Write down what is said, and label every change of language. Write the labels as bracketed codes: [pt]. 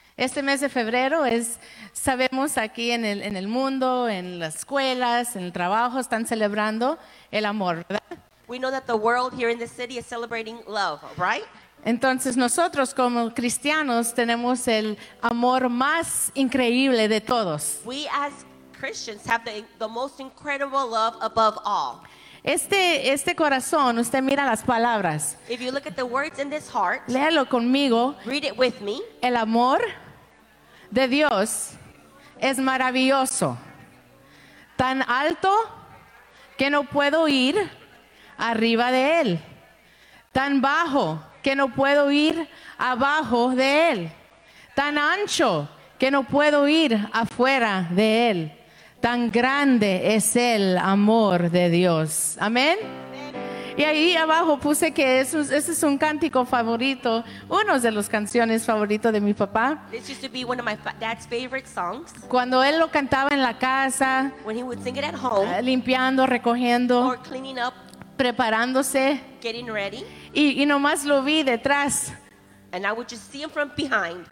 [es] Este mes de febrero es, sabemos aquí en el mundo, en las escuelas, en el trabajo, están celebrando el amor, ¿verdad? [en] We know that the world here in the city is celebrating love, right? [es] Entonces nosotros como cristianos tenemos el amor más increíble de todos. [en] We as Christians have the most incredible love above all. [es] Este corazón, usted mira las palabras. [en] If you look at the words in this heart, [es] léalo conmigo. [en] Read it with me. [es] El amor de Dios es maravilloso. Tan alto que no puedo ir arriba de él. Tan bajo que no puedo ir abajo de él. Tan ancho que no puedo ir afuera de él. Tan grande es el amor de Dios. Amén. Y ahí abajo puse que ese es un cántico favorito, uno de las canciones favoritas de mi papá. [en] This used to be one of my dad's favorite songs. [es] Cuando él lo cantaba en la casa, [en] when he would sing it at home, [es] limpiando, recogiendo, [en] or cleaning up, [es] preparándose, [en] getting ready. [es] Y nomás lo vi detrás. [en] And I would just see him from behind.